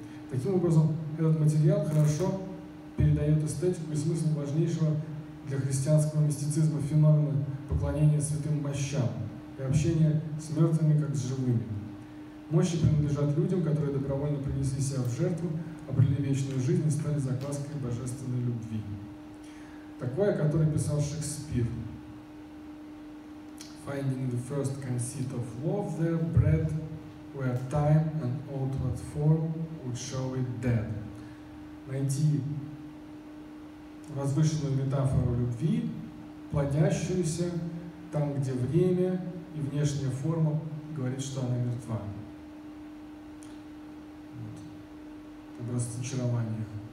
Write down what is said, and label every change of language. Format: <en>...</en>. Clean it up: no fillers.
<ru>Таким образом, этот материал хорошо передает эстетику и смысл важнейшего для христианского мистицизма феномена поклонения святым мощам и общения с мертвыми, как с живыми. Мощи принадлежат людям, которые добровольно принесли себя в жертву, а обрели вечную жизнь и стали закваской божественной любви. Такое, о которой писал Шекспир.</ru> <en>Finding the first conceit of love there bred where time and outward form would show it dead.</en> <ru>Найти возвышенную метафору любви, плодящуюся там, где время и внешняя форма говорит, что она мертва. Вот. Это разочарование.</ru>